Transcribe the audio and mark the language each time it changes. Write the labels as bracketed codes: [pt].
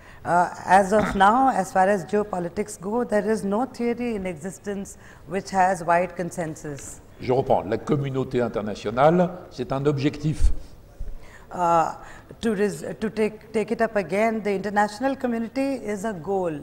[en] As of now, as far as geopolitics go, there is no theory in existence which has wide consensus. [fr] Je reprends. La communauté internationale, c'est un objectif. [en] To take it up again, the international community is a goal.